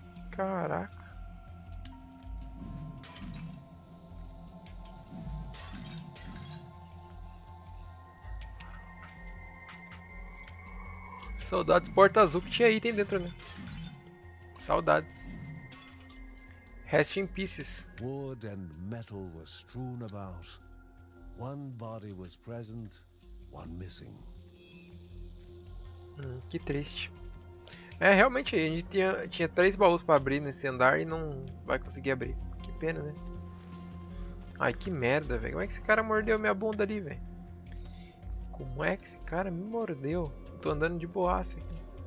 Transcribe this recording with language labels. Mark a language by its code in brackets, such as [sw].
[pt] Caraca. Saudades, porta azul que tinha item dentro, né? Saudades. [en] Rest in pieces. Wood and metal were strewn about. One body was present, one missing. [pt] Que triste. É, realmente, a gente tinha três baús pra abrir nesse andar e não vai conseguir abrir. Que pena, né? Ai, que merda, velho. Como é que esse cara mordeu minha bunda ali, velho? Como é que esse cara me mordeu? Tô andando de boassa aqui.